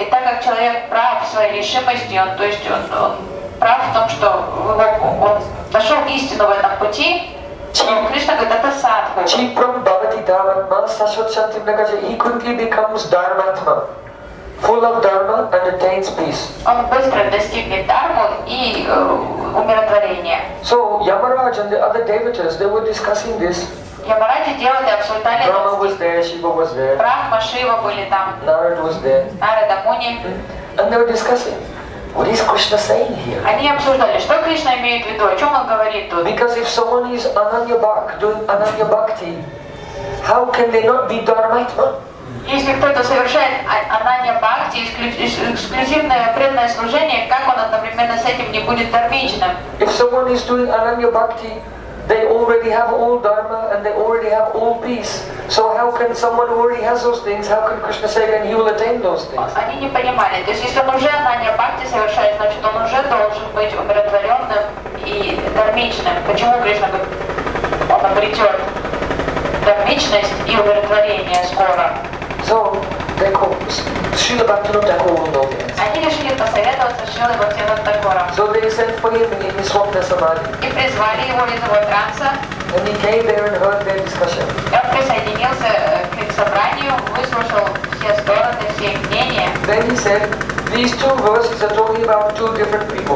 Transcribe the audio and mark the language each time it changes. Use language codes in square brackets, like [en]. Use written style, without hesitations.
[ru] И так как человек прав в своей решимости, он, то есть он прав в том, что он нашел истину в этом пути, Кришна говорит, это садху. [sa] Чипрам бхавати дхарматма сашват шантим накача. [en] He quickly becomes дхарматма. Full of dharma and attains peace. [ru] Он быстро достигнет дхарму и умиротворения. [en] So Yamaraj and the other devatas, they were discussing this. [ru] Ямараджи делали абсолютно. [en] Брахма was there, Шива was there. [ru] Брахма, Шива были там. [en] Нарада was there. [ru] Нарада Муни. [en] And they were discussing, what is Krishna saying here? [ru] Они обсуждали, что Кришна имеет в виду, о чем он говорит тут. [en] Because if someone is ananya bhakt, doing ananya bhakti, how can they not be dharmatma? [ru] Если кто-то совершает ананья бхакти, эксклюзивное преданное служение, как он одновременно с этим не будет дармичным? [en] If someone is doing ananya bhakti, they already have all dharma and they already have all peace. So how can someone who already has those things, how can Krishna say that he will attain those things? [ru] Они не понимали. То есть если он уже ананья бхакти совершает, значит он уже должен быть умиротворенным и дармичным. Почему Кришна говорит, он обретет дармичность и умиротворение скоро? [en] So, they called Srila Bhaktivinoda Thakur will know the answer. So they sent for him in his swapna samadhi. And he came there and heard their discussion. Then he said, these two verses are talking about two different people.